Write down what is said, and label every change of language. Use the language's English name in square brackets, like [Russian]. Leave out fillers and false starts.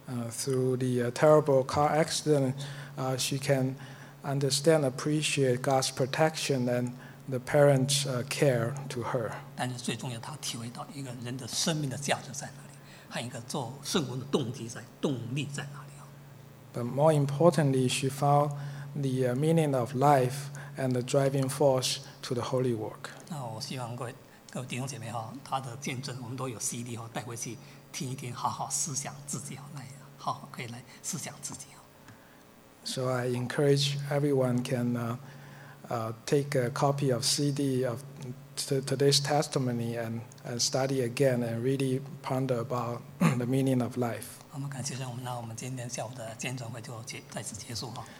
[English] Through the terrible car accident, she can understand, appreciate God's protection and the parents' care to her. [Chinese] 但是最重要，她体会到一个人的生命的价值在哪里，和一个做圣工的动机在动力在哪里。 [English] But more importantly, she found the meaning of life and the driving force to the holy work. [Chinese] 那我希望各位弟兄姐妹哈，她的见证我们都有 CD 哈，带回去听一听，好好思想自己哈，来好好可以来思想自己。 [English] So I encourage everyone can take a copy of CD of today's testimony and study again and really ponder about the meaning of life. [Chinese] 我们感谢神，我们今天下午的见证会就在此结束哈。